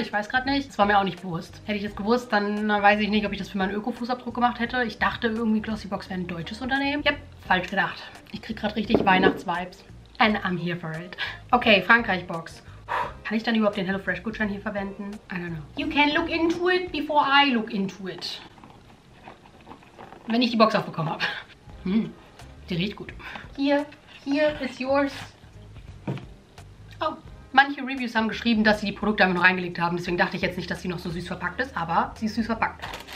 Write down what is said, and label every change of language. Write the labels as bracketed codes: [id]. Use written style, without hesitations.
[de] Ich weiß gerade nicht. Das war mir auch nicht bewusst. Hätte ich das gewusst, dann weiß ich nicht, ob ich das für meinen Öko-Fußabdruck gemacht hätte. Ich dachte irgendwie, Glossybox wäre ein deutsches Unternehmen. Yep, falsch gedacht. Ich kriege gerade richtig Weihnachts-Vibes. [en] And I'm here for it. [de] Okay, Frankreich-Box. Kann ich dann überhaupt den HelloFresh-Gutschein hier verwenden? [en] I don't know. You can look into it before I look into it. [de] Wenn ich die Box aufbekommen habe. Die riecht gut. Hier ist yours. Oh, manche Reviews haben geschrieben, dass sie die Produkte einfach noch reingelegt haben. Deswegen dachte ich jetzt nicht, dass sie noch so süß verpackt ist, aber sie ist süß verpackt.